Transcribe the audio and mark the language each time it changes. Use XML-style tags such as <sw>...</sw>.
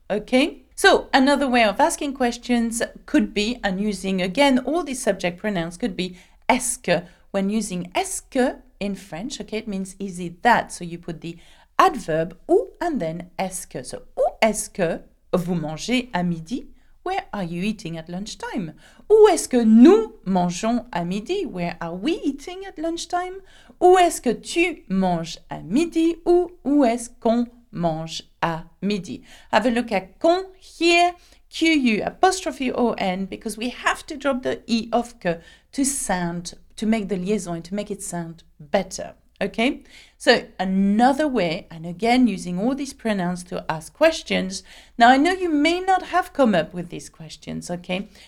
<en>Okay, so another way of asking questions could be, and using again all these subject pronouns, could be est-ce. When using est-ce in French, okay, it means is it that? So you put the adverb où and then est-ce. So</en> <fr>où est-ce Vous mangez à midi?</fr> <en>Where are you eating at lunchtime?</en> <fr>Où est-ce que nous mangeons à midi?</fr> <en>Where are we eating at lunchtime?</en> <fr>Où est-ce que tu manges à midi? Où est-ce qu'on mange à midi?</fr> <en>Have a look at qu'on here. Q-U apostrophe O-N because we have to drop the E of que to sound, to make the liaison and to make it sound better. Okay? So another way, and again using all these pronouns to ask questions. Now I know you may not have come up with these questions, okay?</en>